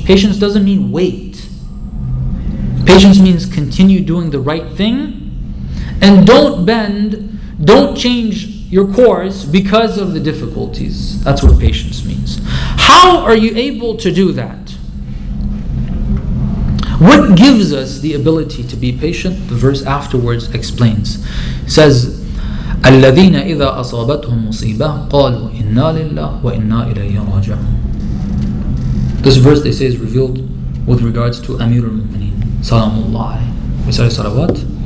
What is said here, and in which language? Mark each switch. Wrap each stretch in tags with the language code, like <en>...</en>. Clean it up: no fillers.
<en>Patience doesn't mean wait. Patience means continue doing the right thing. And don't bend, don't change your course because of the difficulties. That's what patience means. How are you able to do that? What gives us the ability to be patient? The verse afterwards explains. It says,</en> <ar>الَّذِينَ إِذَا أَصَابَتْهُمْ مُصِيبَةٌ قَالُوا إِنَّا لِلَّهِ وَإِنَّا إِلَيْهِ رَاجِعُونَ.</ar> <en>This verse, they say, is revealed with regards to Amir al-Mu'mineen, Salamu Allah. We say salawat.</en>